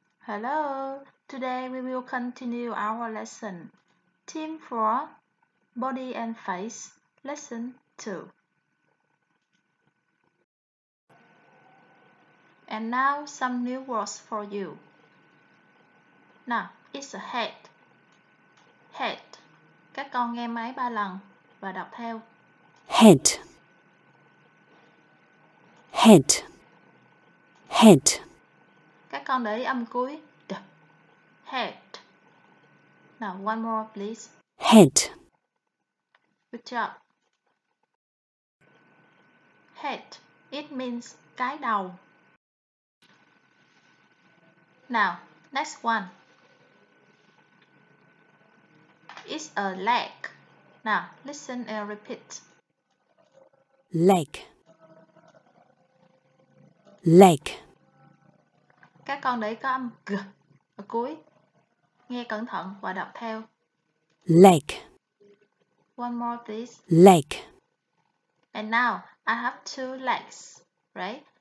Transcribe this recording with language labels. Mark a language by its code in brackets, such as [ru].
[en] Hello, today we will continue our lesson, Team 4, Body and Face, Lesson 2. And now some new words for you. Now, it's a head. Head. [vi] Các con nghe máy 3 lần và đọc theo. [en] Head. Head. Head. [vi] Các con để ý âm cuối. [en] Head. Now, one more, please. Head. Good job. Head. It means [vi] cái đầu. [en] Now, next one. It's a leg. Now, listen and repeat. Leg. Leg. [vi] Các con để ý có âm g ở cuối. Nghe cẩn thận và đọc theo. [en] Leg. One more, please. Leg. And now, I have two legs, right?